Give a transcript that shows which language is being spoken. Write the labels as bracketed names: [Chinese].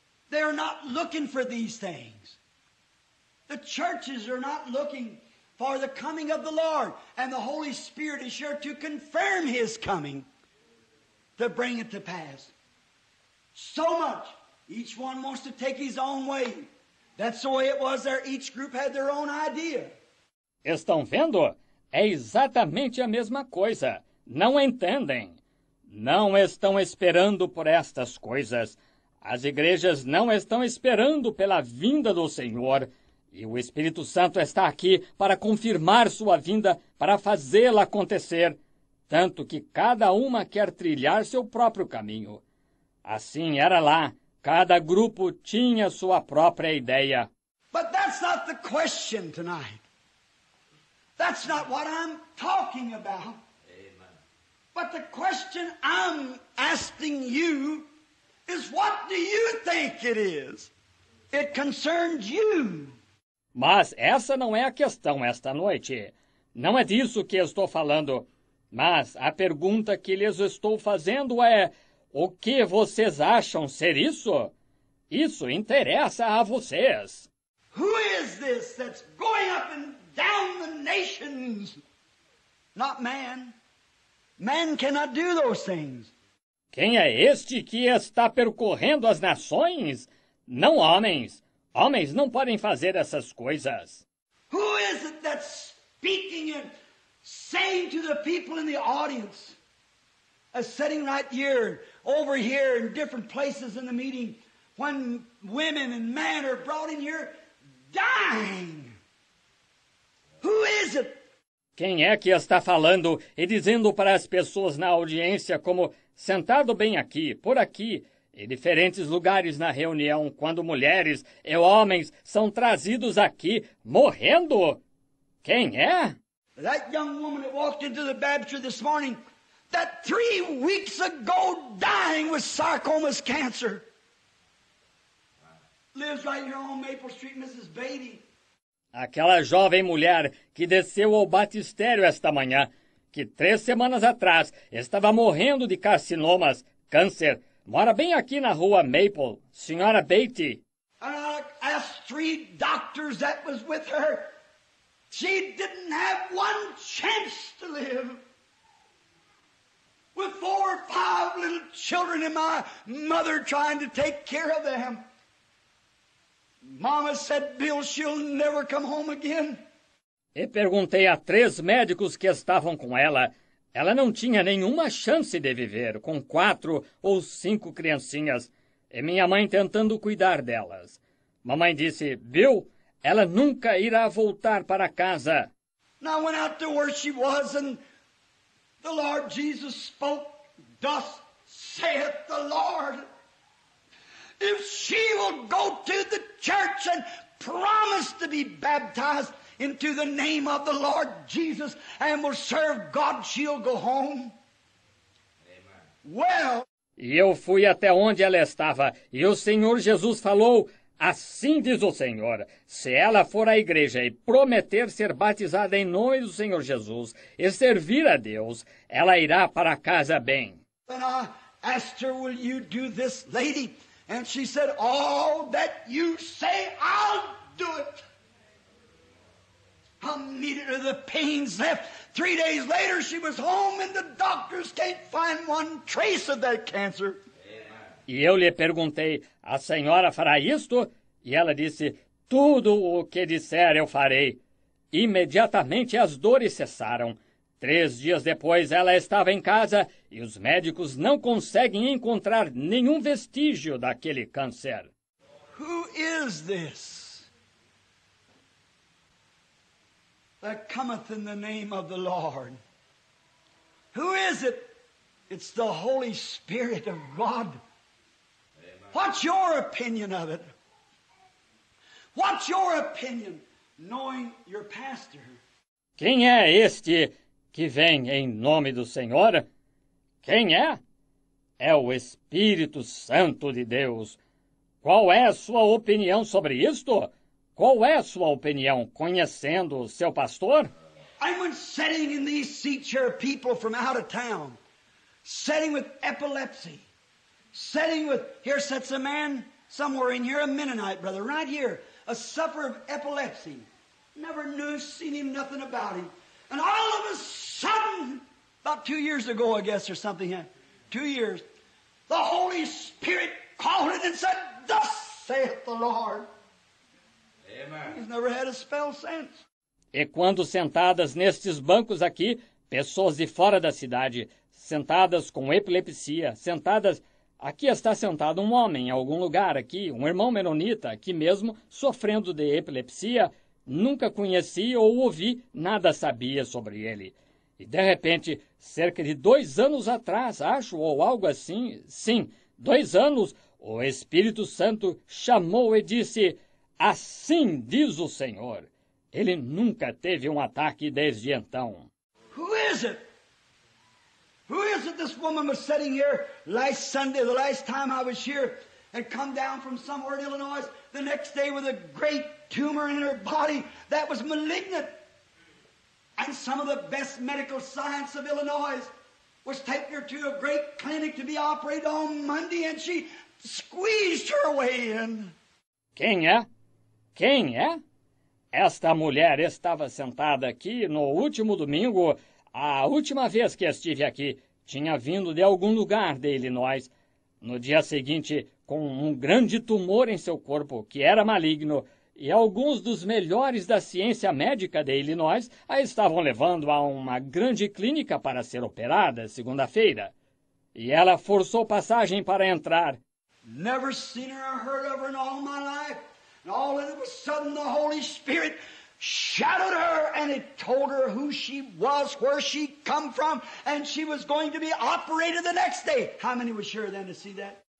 [English] They are not looking for these things. The churches are not looking for the coming of the Lord, and the Holy Spirit is here to confirm His coming, to bring it to pass. So much, each one wants to take his own way. That's the way it was there. Each group had their own idea. [Portuguese] Estão vendo? É exatamente a mesma coisa. Não entendem. Não estão esperando por estas coisas. As igrejas não estão esperando pela vinda do Senhor. E o Espírito Santo está aqui para confirmar sua vinda, para fazê-la acontecer, tanto que cada uma quer trilhar seu próprio caminho. Assim era lá. Cada grupo tinha sua própria ideia. [English] But that's not the question tonight. That's not what I'm talking about. Amen. But the question I'm asking you is, what do you think it is? It concerns you. [Portuguese] Mas essa não é a questão esta noite. Não é disso que estou falando. Mas a pergunta que lhes estou fazendo é: o que vocês acham ser isso? Isso interessa a vocês. [English] Who is this that's going up and down the nations? Not man. Man cannot do those things. [Portuguese] Quem é este que está percorrendo as nações? Não homens. Homens não podem fazer essas coisas. [English] Who is it that's speaking and saying to the people in the audience, as sitting right here, over here, in different places in the meeting, when women and men are brought in here dying? Who is it? [Portuguese] Quem é que está falando e dizendo para as pessoas na audiência, como sentado bem aqui, por aqui, em diferentes lugares na reunião, quando mulheres e homens são trazidos aqui morrendo? Quem é? [English] That young woman that walked into the baptistry this morning, that 3 weeks ago dying with sarcoma cancer, lives right here on Maple Street, Mrs. Beatty. [Portuguese] Aquela jovem mulher que desceu ao batistério esta manhã, que 3 semanas atrás estava morrendo de carcinomas, câncer, mora bem aqui na rua Maple, senhora Beatty. [English] Asked 3 doctors that was with her. She didn't have one chance to live. With 4 or 5 little children and my mother trying to take care of them. Mama said, Bill, she'll never come home again. [Portuguese] E perguntei a 3 médicos que estavam com ela. Ela não tinha nenhuma chance de viver com 4 ou 5 criancinhas e minha mãe tentando cuidar delas. Mamãe disse, Bill, ela nunca irá voltar para casa. [English] And I went out to where she was and the Lord Jesus spoke, thus saith the Lord. If she will go to the church and promise to be baptized into the name of the Lord Jesus and will serve God, she'll go home. Amen. Well. [Portuguese] E eu fui até onde ela estava, e o Senhor Jesus falou, assim diz o Senhor, se ela for à igreja e prometer ser batizada em nome do Senhor Jesus e servir a Deus, ela irá para casa bem. [English] And I asked her, will you do this, lady? And she said, all that you say, I'll do it. How needed are the pains left? 3 days later, she was home and the doctors can't find one trace of that cancer. [Portuguese] E eu lhe perguntei, a senhora fará isto? E ela disse, tudo o que disser eu farei. Imediatamente as dores cessaram. 3 dias depois ela estava em casa e os médicos não conseguem encontrar nenhum vestígio daquele câncer. [English] Who is this that cometh in the name of the Lord? Who is it? It's the Holy Spirit of God. What's your opinion of it? What's your opinion, knowing your pastor? [Portuguese] Quem é este que vem em nome do Senhor? Quem é? É o Espírito Santo de Deus. Qual é a sua opinião sobre isto? Qual é a sua opinião conhecendo o seu pastor? [English] I'm sitting in these seats here, people from out of town, sitting with epilepsy, sitting with, here sits a man somewhere in here, a Mennonite brother, right here, a sufferer of epilepsy. Never knew, seen him, nothing about him. And all of a sudden, about 2 years ago, I guess, or something, 2 years, the Holy Spirit called it and said, thus saith the Lord. Amen. He's never had a spell since. [Portuguese] E quando sentadas nestes bancos aqui, pessoas de fora da cidade, sentadas com epilepsia, sentadas... Aqui está sentado um homem em algum lugar aqui, um irmão menonita, aqui mesmo, sofrendo de epilepsia. Nunca conheci ou ouvi, nada sabia sobre ele. E de repente, cerca de 2 anos atrás, acho, ou algo assim, sim, 2 anos, o Espírito Santo chamou e disse, assim diz o Senhor. Ele nunca teve um ataque desde então. [English] Who is it? Who is it? This woman was sitting here last Sunday, the last time I was here, and come down from somewhere in Illinois the next day with a great tumor in her body that was malignant. And some of the best medical science of Illinois was taking her to a great clinic to be operated on Monday, and she squeezed her way in. [Portuguese] Quem é? Quem é? Esta mulher estava sentada aqui no último domingo, a última vez que estive aqui, tinha vindo de algum lugar de Illinois. No dia seguinte, com um grande tumor em seu corpo, que era maligno, e alguns dos melhores da ciência médica de Illinois a estavam levando a uma grande clínica para ser operada segunda-feira. E ela forçou passagem para entrar. [English] Never seen her or heard of her in all my life. And all of a sudden the Holy Spirit shadowed her and it told her who she was, where she come from, and she was going to be operated the next day. How many were sure then to see that?